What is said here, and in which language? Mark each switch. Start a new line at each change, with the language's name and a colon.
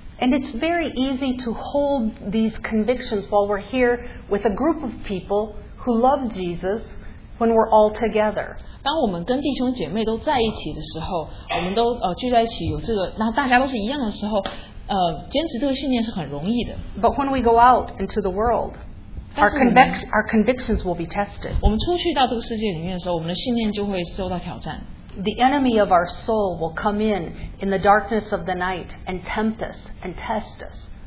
English: And it's very easy to hold these convictions while we're here with a group of people who love Jesus. When we're all together,
Chinese: 当我们跟弟兄姐妹都在一起的时候，我们都聚在一起，有这个，那大家都是一样的时候，坚持这个信念是很容易的。
English: But when we go out into the world, our convictions will be tested.
Chinese: 我们出去到这个世界里面的时候，我们的信念就会受到挑战。
English: The enemy of our soul will come in the darkness of the night and tempt us and test us.